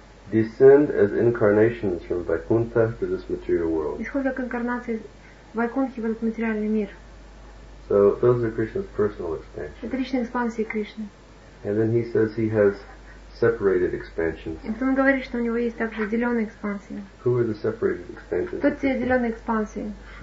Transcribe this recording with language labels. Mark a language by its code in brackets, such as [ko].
[en] Descend as incarnations from Vaikuntha to this material world. [ru] Исходя как инкарнации Вайкунхи в этот материальный мир. [en] So those are Krishna's personal expansions. [ru] Это личные экспансии Кришны. [en] And then he says he has separated expansions. [ru] И потом говорит, что у него есть также отделенные экспансии. [en] Who are the separated expansions? [ru] Кто те отделенные экспансии?